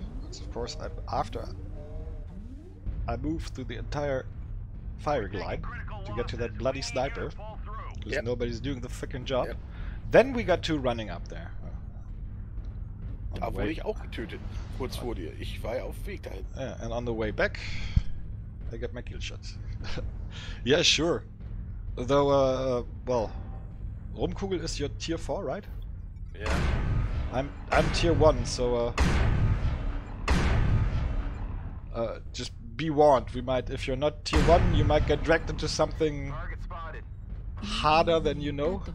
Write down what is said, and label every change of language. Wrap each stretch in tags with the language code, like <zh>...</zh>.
<en>So of course, after I move through the entire firing line to get to that bloody sniper, because nobody's doing the frickin' job, then we got two running up there.</en> <de>Da wurde ich auch getötet, kurz vor dir. Ich war ja auf Weg dahin.</de> <en>Yeah, and on the way back, I get my kill shots. Yeah, sure. Though, well, Rumkugel is your tier 4, right? Yeah. I'm tier 1, so, just be warned, we might, if you're not tier 1, you might get dragged into something harder than you know.</en>